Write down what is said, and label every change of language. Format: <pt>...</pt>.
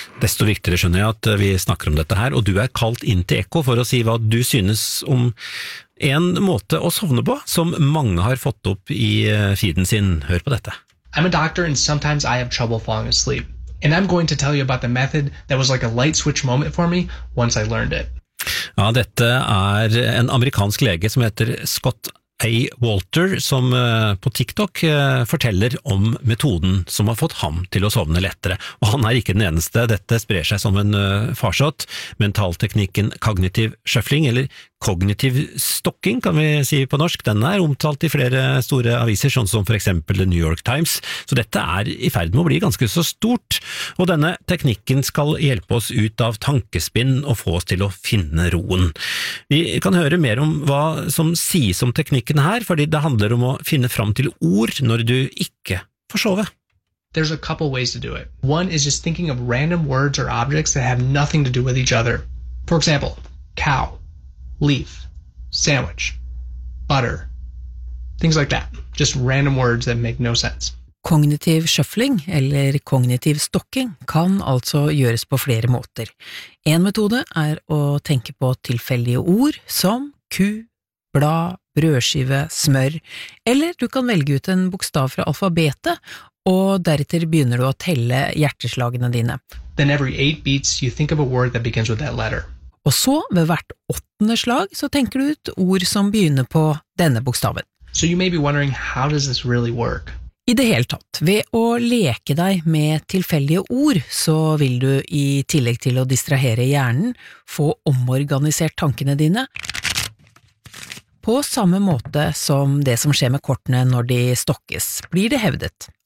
<no>Desto viktigere skjønner jeg at vi snakker om dette her, og du kalt inn til Ekko for å si hva du synes om en måte å sovne på som mange har fått opp I feeden sin. Hør på dette.</no> <en>I'm a doctor and sometimes I have trouble falling asleep. And I'm going to tell you about the method that was like a light switch moment for me once I learned it.</en> <no>Ja, dette en amerikansk lege som heter Scott A. Walter, som på TikTok forteller om metoden som har fått ham til å sovne lettere. Og han ikke den eneste. Dette sprer seg som en farsott. Mentalteknikken kognitiv shuffling, eller kognitiv stocking, kan vi si på norsk, den omtalt I flere store aviser, sånn som for eksempel The New York Times. Så dette I ferd med å bli ganske så stort. Og denne teknikken skal hjelpe oss ut av tankespinn og få oss til å finne roen. Vi kan høre mer om hva som sies om teknikken her, fordi det handler om å finne fram til ord når du ikke får sove.</no> <en>There's a couple ways to do it. One is just thinking of random words or objects that have nothing to do with each other. For example, cow. Leaf, sandwich, butter, things like that. Just random words that make no sense.</en> <no>Kognitiv shuffling, eller kognitiv stocking, kan altså gjøres på flere måter. En metode å tenke på tilfellige ord som ku, blad, brødskive, smør, eller du kan velge ut en bokstav fra alfabetet, og deretter begynner du å telle hjerteslagene dine.</no> <en>Then every 8 beats, you think of a word that begins with that letter.</en> <no>Og så, ved hvert 8. slag, så tenker du ut ord som begynner på denne bokstaven.</no> <en>So you may be wondering, how does this really work?</en> <no>I det hele tatt, ved å leke deg med tilfellige ord, så vil du I tillegg til å distrahere hjernen, få omorganisert tankene dine, på samme måte som det som skjer med kortene når de stokkes, blir det hevdet.</no>